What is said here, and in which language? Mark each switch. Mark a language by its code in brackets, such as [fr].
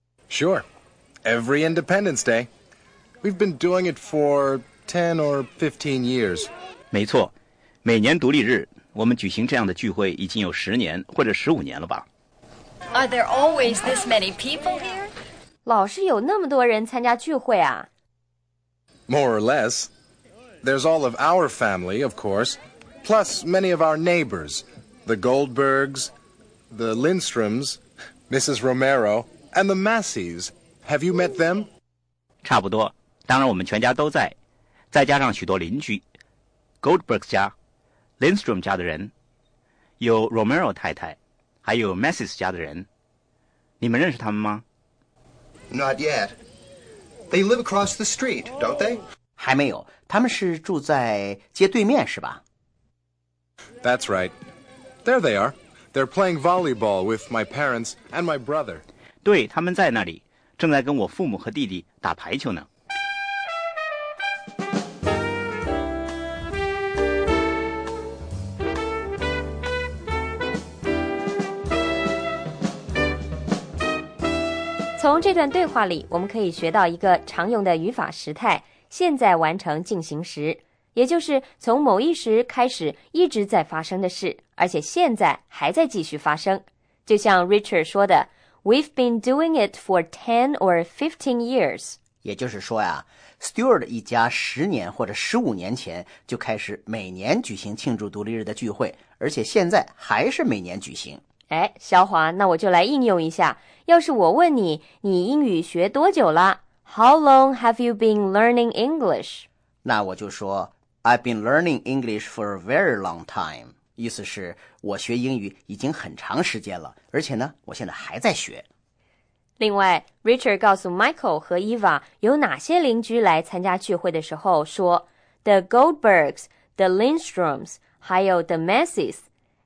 [en] Sure. Every Independence Day. We've been doing it for 10 or 15 years. [zh] 没错，每年独立日，我们举行这样的聚会已经有10年或者15年了吧。 [en] Are there always this many people here? [zh] 老是有那么多人参加聚会啊。 [en] More or less. There's all of our family, of course, plus many of our neighbors, the Goldbergs, the Lindstroms, Mrs. Romero, and the Masseys. Have you met them? [zh] 差不多，当然我们全家都在，再加上许多邻居 ，Goldbergs 家 ，Lindstrom 家的人，有 Romero 太太。还有 Masseys 家的人，你们认识他们吗？ [en] Not yet. They live across the street, don't they? [zh] 还没有，他们是住在街对面，是吧？ [en] That's right. There they are. They're playing volleyball with my parents and my brother. [zh] 对，他们在那里，正在跟我父母和弟弟打排球呢。从这段对话里，我们可以学到一个常用的语法时态，现在完成进行时，也就是从某一时开始一直在发生的事，而且现在还在继续发生。就像 Richard 说的 [en] We've been doing it for 10 or 15 years. [zh] 也就是说呀， Stewart 一家10年或者15年前就开始每年举行庆祝独立日的聚会，而且现在还是每年举行。哎，小华，那我就来应用一下。要是我问你，你英语学多久了？ [en] How long have you been learning English? [zh] 那我就说 [en] I've been learning English for a very long time. [zh] 意思是我学英语已经很长时间了，而且呢，我现在还在学。另外 ，Richard 告诉 Michael 和 Eva 有哪些邻居来参加聚会的时候说 ：“The Goldbergs, the Lindstroms, 还有 the Messes。”